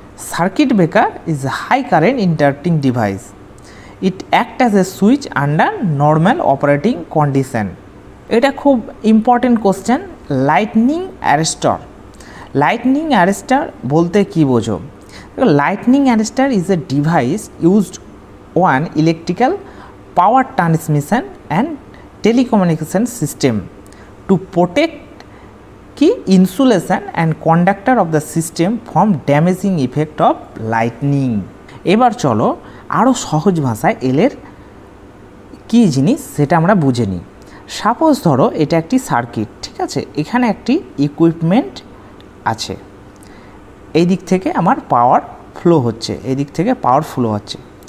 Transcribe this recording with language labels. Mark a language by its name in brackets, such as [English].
[English] Circuit breaker is high current inducting device, it act as a switch under normal operating condition. [Bangla] এটা খুব important question, lightning arrester. Lightning arrester বলতে কী বোঝো, [English] Lightning arrestor is a device used on electrical power transmission and telecommunication system to protect key insulation and conductor of the system from damaging effect of lightning. [Bangla] এবার চলো আরো সহজ ভাষায় এলের কি জিনিস সেটা আমরা বুঝে নিই। সাপোজ ধরো এটা একটি সার্কিট, ঠিক আছে, এখানে একটি ইকুইপমেন্ট আছে, এই দিক থেকে আমার পাওয়ার ফ্লো হচ্ছে, এই দিক থেকে পাওয়ার ফ্লো হচ্ছে।